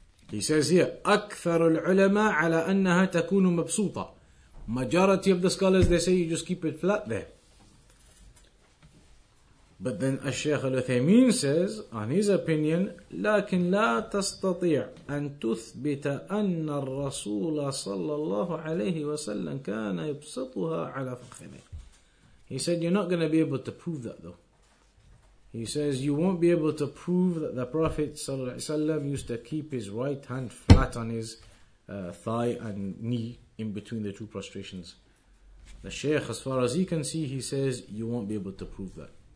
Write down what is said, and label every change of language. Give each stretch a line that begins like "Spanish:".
English: He says here,
Arabic: أكثر العلماء على أنها تكون مبسوطة.
English: Majority of the scholars, they say you just keep it flat there. But then Shaykh Uthaymeen says, on his opinion,
Arabic: لكن لا تستطيع أن تثبت أن الرسول صلى الله عليه وسلم كان يبسطها على فخذيه.
English: He said, you're not going to be able to prove that though. He says, you won't be able to prove that the Prophet ﷺ used to keep his right hand flat on his thigh and knee in between the two prostrations. The Shaykh, as far as he can see, he says, you won't be able to prove that.